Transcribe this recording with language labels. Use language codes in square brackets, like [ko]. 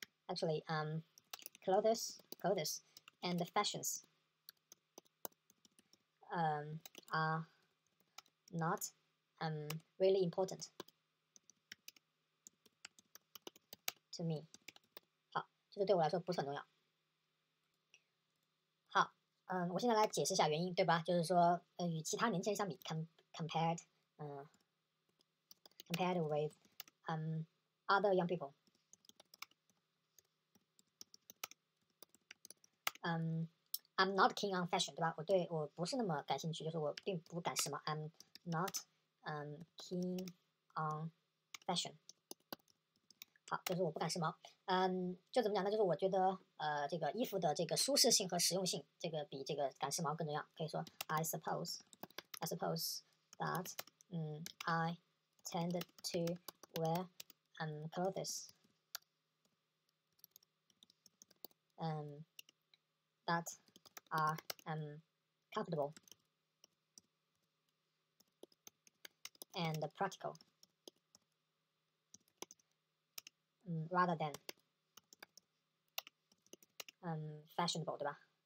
[en] Actually， clothes and fashions， are not really important to me。 [zh] 好，就是对我来说不是很重要。好，我现在来解释一下原因，对吧？就是说，与其他年轻人相比 [en] ，compared， compared with other young people， I'm not keen on fashion， [zh] 对吧？我不是那么感兴趣，就是我并不敢时髦。 [en] I'm not keen on fashion。 [zh] 好，就是我不敢时髦。就怎么讲呢？就是我觉得这个衣服的这个舒适性和实用性，这个比这个敢时髦更重要。可以说 [en] I suppose that I tend to wear clothes that are comfortable and practical rather than fashionable， [zh] 对吧？